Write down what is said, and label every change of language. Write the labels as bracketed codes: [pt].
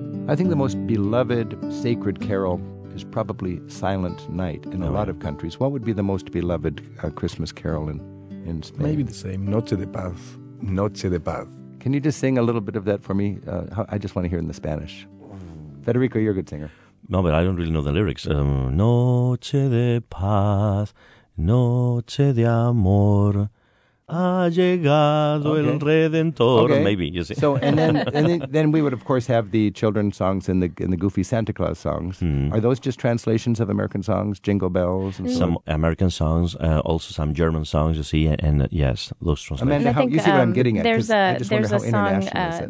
[en] I think the most beloved sacred carol is probably Silent Night in a lot of countries. What would be the most beloved Christmas carol in Spain? Maybe the same, Noche de Paz. Noche de Paz. Can you just sing a little bit of that for me? I just want to hear it in the Spanish. Federico, you're a good singer. No, but I don't really know the lyrics. [es] Noche de Paz, Noche de Amor, ha llegado el Redentor. [en] Okay. Maybe, you see. So, and then we would, of course, have the children's songs and the goofy Santa Claus songs. Are those just translations of American songs, Jingle Bells? And some American songs, also some German songs, you see, and those translations. Amanda, you see what I'm getting at?